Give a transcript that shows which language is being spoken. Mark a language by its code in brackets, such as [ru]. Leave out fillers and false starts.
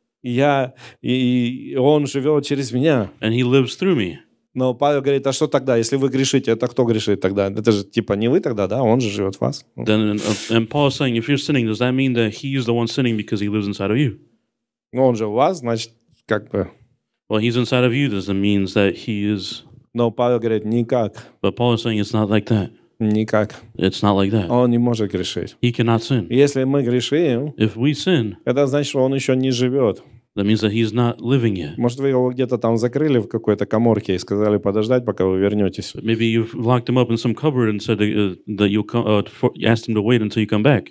[ru] Я, и Он живет через меня. [en] And He lives through me. [ru] Но Павел говорит, а что тогда, если вы грешите, это кто грешит тогда? Это же типа не вы тогда, да? Он же живет в вас. [en] Then, and Paul is saying, if you're sinning, does that mean that He is the one sinning because He lives inside of you? [ru] Ну, Он же в вас, значит, как бы... [en] Well, He's inside of you, does that mean that He is... [ru] Но Павел говорит, никак. [en] But Paul is saying, it's not like that. [ru] Никак. [en] It's not like that. [ru] Он не может грешить. [en] He cannot sin. [ru] Если мы грешим, [en] if we sin, [ru] это значит, что Он еще не живет. [en] That means that He's not living yet. [ru] Может, вы его где-то там закрыли в какой-то каморке и сказали подождать, пока вы вернетесь. [en] Maybe you've locked him up in some cupboard and said that you asked him to wait until you come back.